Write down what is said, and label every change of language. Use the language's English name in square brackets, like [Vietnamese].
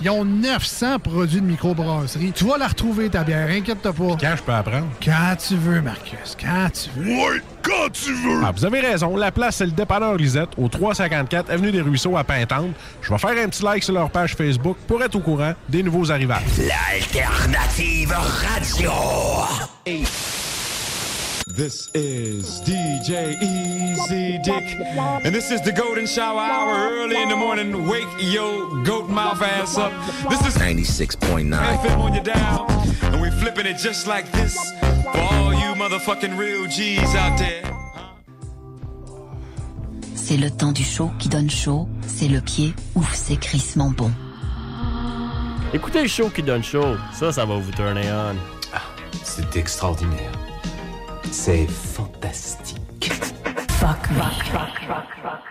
[French] Ils ont 900 produits de microbrasserie. Tu vas la retrouver, ta bière. Inquiète-toi pas. Quand je peux apprendre? Quand tu veux, Marcus. Quand tu veux. Oui, quand tu veux! Ah, vous avez raison. La place, c'est le dépanneur Lisette au 354 avenue des Ruisseaux à Pintendre. Je vais faire un petit like sur leur page Facebook pour être au courant des nouveaux arrivages. L'Alternative Radio. [English] This is DJ Easy Dick, and this is the Golden Shower Hour. Early in the morning, wake your goat mouth ass up. This is 96.9 FM on your dial, and we're flipping it just like this for all you motherfucking real G's out there. [French] C'est le temps du show qui donne chaud. C'est le pied ou c'est crissement bon. Écoutez le show qui donne chaud. Ça va vous turner on. Ah, c'est extraordinaire. C'est fantastique. [English] Fuck me.